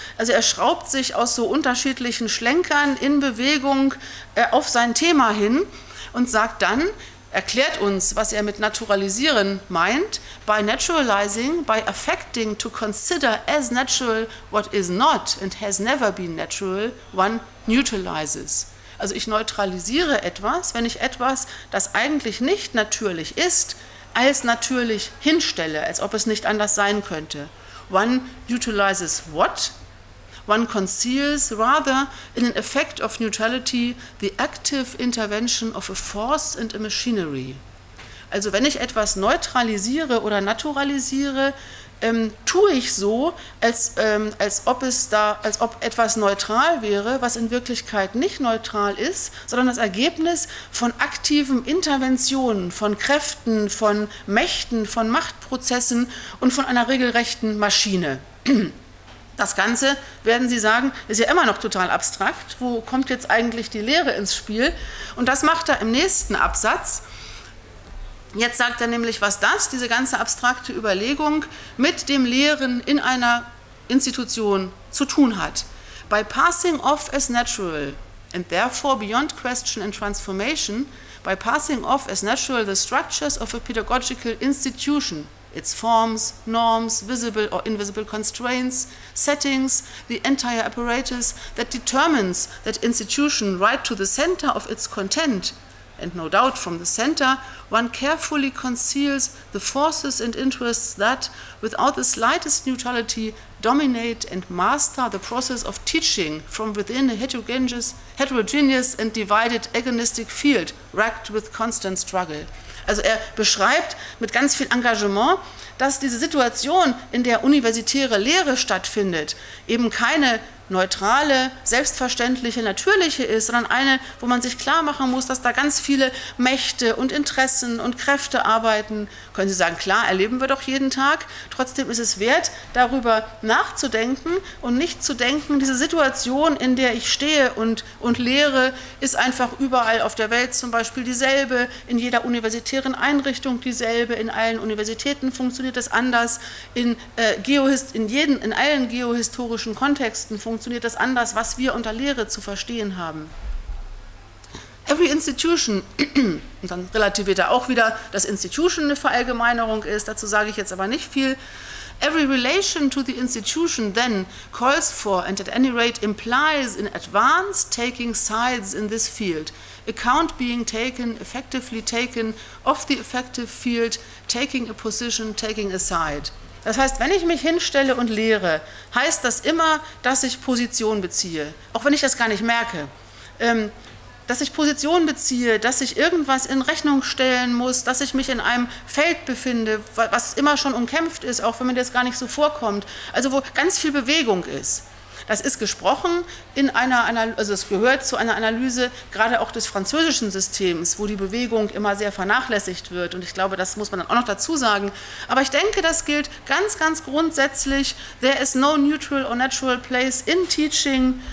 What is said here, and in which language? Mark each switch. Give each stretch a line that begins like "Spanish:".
German: Also er schraubt sich aus so unterschiedlichen Schlenkern in Bewegung auf sein Thema hin und sagt dann, erklärt uns, was er mit naturalisieren meint,
English: by naturalizing, by affecting to consider as natural what is not and has never been natural, one neutralizes.
German: Also ich neutralisiere etwas, wenn ich etwas, das eigentlich nicht natürlich ist, als natürlich hinstelle, als ob es nicht anders sein könnte.
English: One neutralizes what? One conceals rather in an effect of neutrality the active intervention of a force and a machinery.
German: Also wenn ich etwas neutralisiere oder naturalisiere, tue ich so, als ob etwas neutral wäre, was in Wirklichkeit nicht neutral ist, sondern das Ergebnis von aktiven Interventionen, von Kräften, von Mächten, von Machtprozessen und von einer regelrechten Maschine. Das Ganze, werden Sie sagen, ist ja immer noch total abstrakt. Wo kommt jetzt eigentlich die Lehre ins Spiel? Und das macht er im nächsten Absatz. Jetzt sagt er nämlich, was das, diese ganze abstrakte Überlegung, mit dem Lehren in einer Institution zu tun hat.
English: By passing off as natural and therefore beyond question and transformation, by passing off as natural the structures of a pedagogical institution, its forms, norms, visible or invisible constraints, settings, the entire apparatus that determines that institution right to the center of its content, and no doubt from the center, one carefully conceals the forces and interests that, without the slightest neutrality, dominate and master the process of teaching from within a heterogeneous and divided agonistic field, racked with constant struggle.
German: Also er beschreibt mit ganz viel Engagement, dass diese Situation, in der universitäre Lehre stattfindet, eben keine neutrale, selbstverständliche, natürliche ist, sondern eine, wo man sich klar machen muss, dass da ganz viele Mächte und Interessen und Kräfte arbeiten. Können Sie sagen, klar, erleben wir doch jeden Tag. Trotzdem ist es wert, darüber nachzudenken und nicht zu denken, diese Situation, in der ich stehe und lehre, ist einfach überall auf der Welt zum Beispiel dieselbe, in jeder universitären Einrichtung dieselbe, in allen Universitäten funktioniert es anders, in allen geohistorischen Kontexten funktioniert das anders, was wir unter Lehre zu verstehen haben.
English: Every institution,
German: und dann relativiert er auch wieder, dass Institution eine Verallgemeinerung ist, dazu sage ich jetzt aber nicht viel.
English: Every relation to the institution then calls for and at any rate implies in advance taking sides in this field. Account being taken, effectively taken, of the effective field, taking a position, taking a side.
German: Das heißt, wenn ich mich hinstelle und lehre, heißt das immer, dass ich Position beziehe, auch wenn ich das gar nicht merke. Dass ich Position beziehe, dass ich irgendwas in Rechnung stellen muss, dass ich mich in einem Feld befinde, was immer schon umkämpft ist, auch wenn mir das gar nicht so vorkommt, also wo ganz viel Bewegung ist. Das ist gesprochen in einer Analyse, also es gehört zu einer Analyse gerade auch des französischen Systems, wo die Bewegung immer sehr vernachlässigt wird. Und ich glaube, das muss man dann auch noch dazu sagen. Aber ich denke, das gilt ganz, ganz grundsätzlich.
English: There is no neutral or natural place in teaching.